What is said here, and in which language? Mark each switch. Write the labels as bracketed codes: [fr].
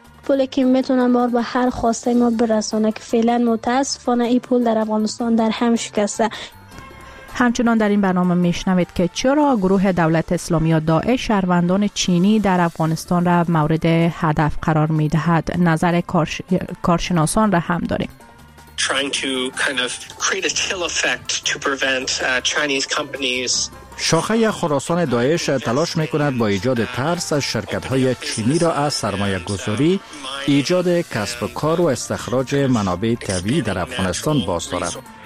[fa] پولی که میتونن بار به هر خواسته ما برسانه که فعلا متاسفانه این پول در افغانستان در هم شکسته. همچنان در این برنامه میشنوید که چرا گروه دولت اسلامی و داعش شهروندان چینی در افغانستان را مورد هدف قرار میدهد. نظر کارشناسان را هم داریم. [en] trying to kind of create a chill effect to prevent Chinese companies. [fa] شاخه خراسان داعش تلاش میکند با ایجاد ترس از شرکت های چینی را از سرمایه گذاری، ایجاد کسب و کار و استخراج منابع طبیعی در افغانستان باز دارد.